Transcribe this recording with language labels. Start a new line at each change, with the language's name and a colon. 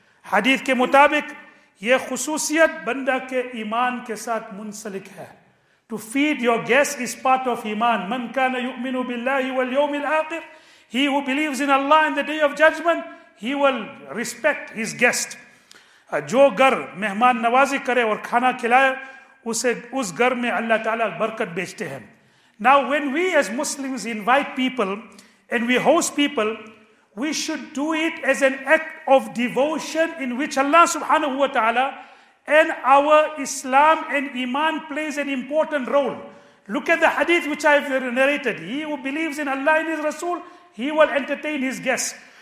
Urdu: حدیث کے مطابق یہ خصوصیت بندہ کے ایمان کے ساتھ منسلک ہے.
English: To feed your guest is part of iman.
Arabic: من كان يؤمن بالله واليوم الآخر,
English: he who believes in Allah and the Day of Judgment, he will respect his guest.
Urdu: جو گھر مہمان نوازی کرے اور کھانا کھلائے اسے اس گھر میں اللہ تعالیٰ برکت بھیجتے ہیں.
English: Now when we as Muslims invite people and we host people, we should do it as an act of devotion in which Allah subhanahu wa ta'ala and our Islam and Iman plays an important role. Look at the hadith which I have narrated. He who believes in Allah and His Rasul, he will entertain his guests.